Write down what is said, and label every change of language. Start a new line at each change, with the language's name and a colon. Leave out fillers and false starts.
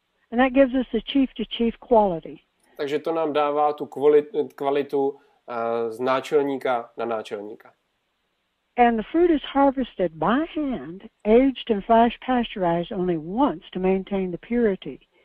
English: And that gives us the chief to chief quality.
Czech: Takže to nám dává tu kvalitu z náčelníka na náčelníka.
English: And the fruit is harvested by hand, aged and flash pasteurized only once to maintain the purity.